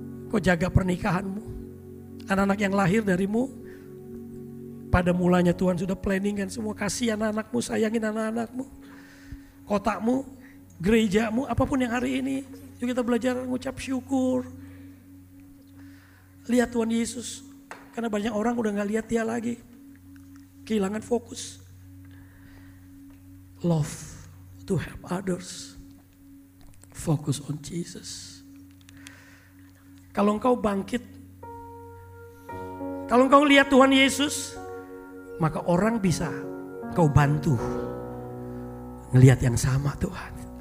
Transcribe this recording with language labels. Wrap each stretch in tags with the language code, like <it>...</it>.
<id>Kau jaga pernikahanmu, anak-anak yang lahir darimu, pada mulanya Tuhan sudah planningkan semua, kasihan anakmu, sayangin anak-anakmu, kotakmu, gerejamu, apapun yang hari ini, yuk kita belajar mengucap syukur. Lihat Tuhan Yesus, karena banyak orang udah gak lihat dia lagi, kehilangan fokus.</id> <en>Love to help others, focus on Jesus.</en> <id>Kalau engkau bangkit, kalau engkau lihat Tuhan Yesus, maka orang bisa kau bantu ngelihat yang sama Tuhan.</id>